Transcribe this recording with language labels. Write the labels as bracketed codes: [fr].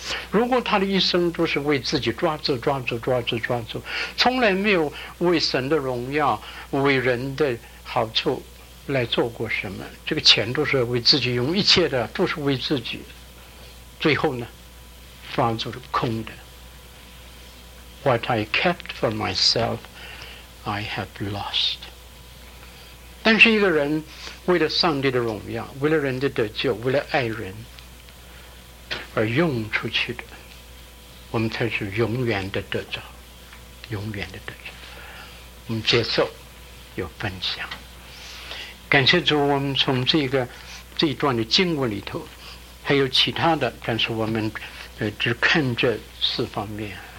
[zh] 如果他的一生都是为自己抓住、抓住、抓住、抓住，从来没有为神的荣耀、为人的好处来做过什么，这个钱都是为自己用，一切的都是为自己，最后呢，抓住了空的。 [en] What I kept for myself, I have lost. [zh] 但是一个人为了上帝的荣耀，为了人的得救，为了爱人而用出去的，我们才是永远的得着，永远的得着。我们接受，有分享。感谢主，我们从这一段的经文里头，还有其他的，但是我们只看这四方面。